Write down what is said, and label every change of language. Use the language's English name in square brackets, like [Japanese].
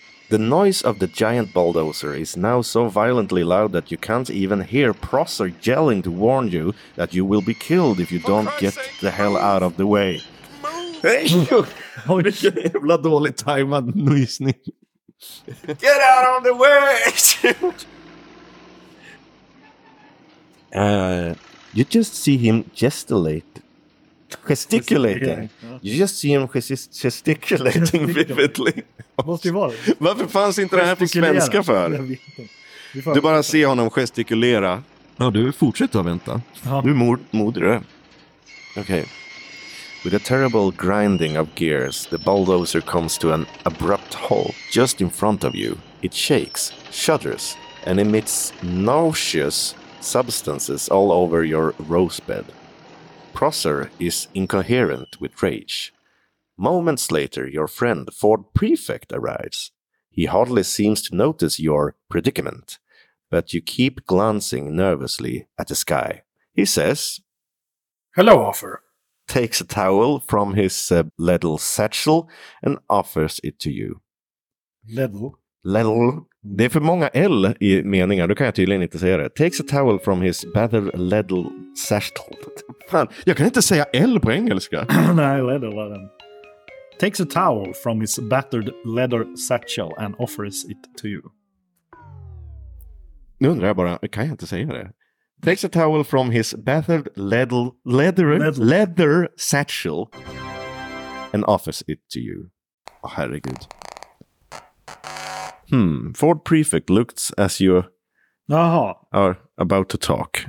[English] The noise of the giant bulldozer is now so violently loud that you can't even hear Prosser yelling to warn you that you will be killed if you don't get the hell out of the way. [Swedish] Vilken jävla dålig tajmad nysning. [English] Get out of the way! you just see him gesticulating. You just see him gesticulating vividly. [Swedish] Varför fanns inte det här på svenska för? Du bara ser honom gestikulera. Ja, du fortsätter att vänta. Du är modig. Okej. [English] With a terrible grinding of gears, the bulldozer comes to an abrupt halt just in front of you. It shakes, shudders, and emits nauseous substances all over your rose bed. Prosser is incoherent with rage. Moments later, your friend Ford Prefect arrives. He hardly seems to notice your predicament, but you keep glancing nervously at the sky. He says, "Hello, Arthur." Takes a towel from his little satchel and offers it to you. Little. [Swedish] Det är för många L i meningar. Då kan jag tydligen inte säga det. [English] Takes a towel from his better little satchel. [Swedish] Fan, jag kan inte säga L på engelska. Nej, little. [English] Takes a towel from his battered leather satchel and offers it to you. [Swedish] Nu undrar jag bara, kan jag inte säga det? [English] Takes a towel from his battered leather satchel and offers it to you. Oh, [Swedish] herregud. [English] Ford Prefect looks as you are about to talk.